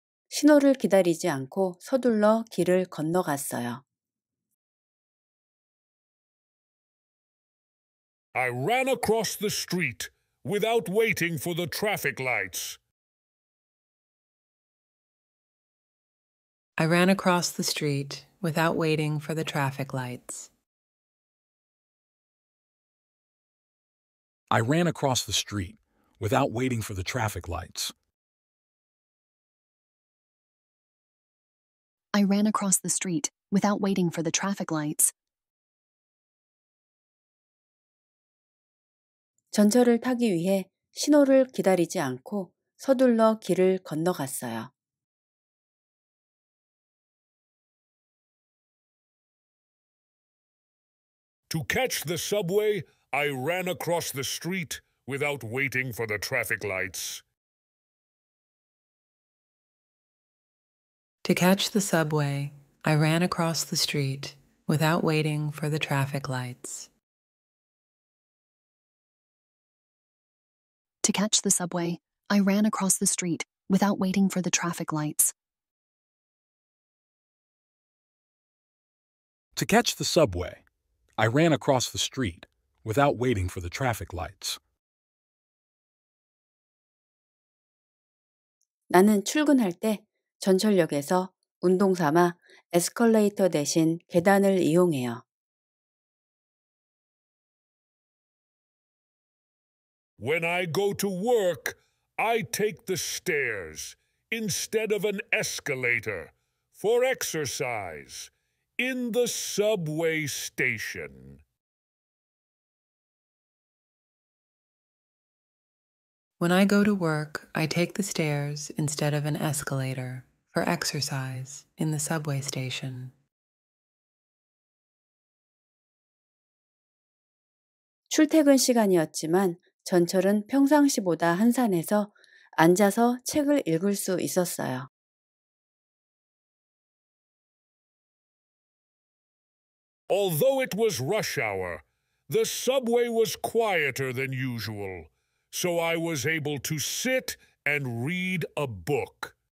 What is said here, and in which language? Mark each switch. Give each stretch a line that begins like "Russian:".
Korean: 신호를 기다리지 않고 서둘러 길을 건너갔어요.
English: I ran across the street without waiting for the traffic lights. I ran across the street without waiting for the traffic lights. I ran across the street without waiting for the traffic lights. I ran across the street without waiting for the traffic lights.
Korean: 전철을 타기 위해 신호를 기다리지 않고 서둘러 길을 건너갔어요.
English: To catch the subway, I ran across the street without waiting for the traffic lights. To catch the subway, I ran across the street without waiting for the traffic lights. To catch the subway, I ran across the street without waiting for the traffic lights. To catch the subway, I ran across the street without waiting for the traffic lights.
Korean: 나는 출근할 때 전철역에서 운동 삼아 에스컬레이터 대신 계단을 이용해요.
English: When I go to work, I take the stairs instead of an escalator for exercise. in the subway station. When I go to work, I take the stairs instead of an escalator for exercise in the subway station.
Korean: 출퇴근 시간이었지만 전철은 평상시보다 한산해서 앉아서 책을 읽을 수 있었어요.
English: Although it was rush hour, the subway was quieter than usual, so I was able to sit and read a book.